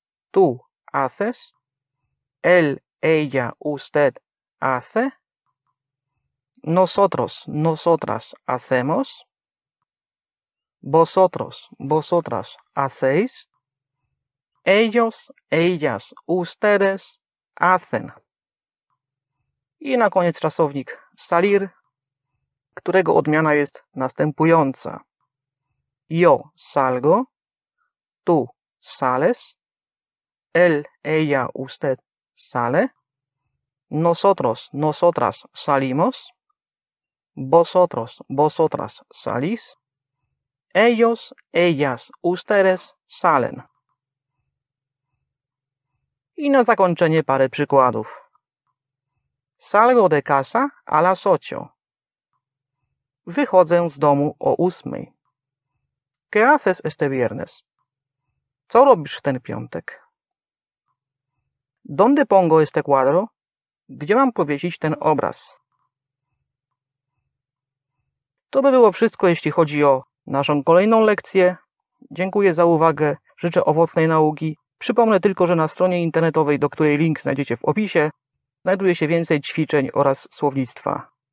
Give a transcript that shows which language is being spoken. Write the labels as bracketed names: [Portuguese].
[Spanish] Tú haces. Él, ella, usted hace. Nosotros, nosotras hacemos. Vosotros, vosotras hacéis. Ellos, ellas, ustedes hacen. [Polish] I na koniec czasownik salir, którego odmiana jest następująca. [Spanish] Yo salgo, tú sales, él, ella, usted sale, nosotros, nosotras salimos, vosotros, vosotras salís, ellos, ellas, ustedes salen. [Polish] I na zakończenie parę przykładów. [Spanish] Salgo de casa a las ocho. [Polish] Wychodzę z domu o ósmej. [Spanish] ¿Qué haces este viernes? [Polish] Co robisz ten piątek? [Spanish] ¿Dónde pongo este cuadro? [Polish] Gdzie mam powiesić ten obraz? To by było wszystko, jeśli chodzi o naszą kolejną lekcję. Dziękuję za uwagę. Życzę owocnej nauki. Przypomnę tylko, że na stronie internetowej, do której link znajdziecie w opisie, znajduje się więcej ćwiczeń oraz słownictwa.